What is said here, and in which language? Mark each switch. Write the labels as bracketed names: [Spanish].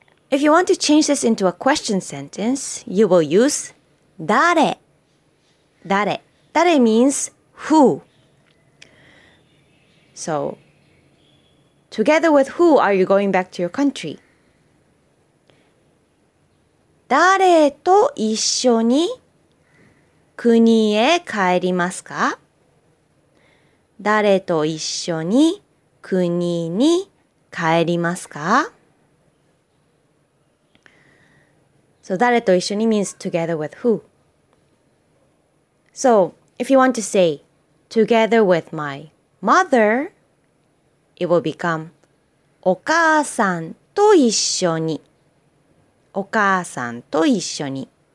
[English] If you want to change this into a question sentence, you will use 誰. 誰.誰 means who. So, together with who are you going back to your country? [Japanese] 誰と一緒に国へ帰りますか？誰と一緒に国に帰りますか？ [English] So, [Japanese] 誰と一緒に [English] means together with who. So, if you want to say together with my mother, it will become [Japanese] お母さんと一緒に。お母さんと一緒に。